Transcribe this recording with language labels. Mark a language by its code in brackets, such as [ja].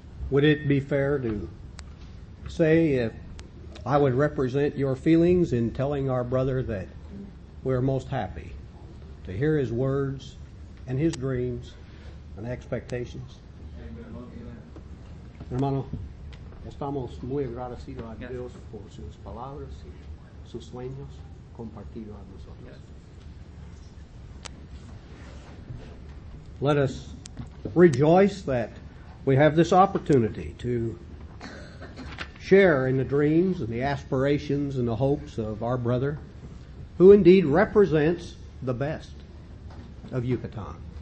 [en] Would it be fair to say if I would represent your feelings in telling our brother that we're most happy to hear his words and his dreams and expectations? Amen. [es] Hermano. Estamos muy agradecidos a Dios por sus palabras y sus sueños compartidos a nosotros. [en] Yes. Let us rejoice that we have this opportunity to share in the dreams and the aspirations and the hopes of our brother, who indeed represents the best of Yucatan.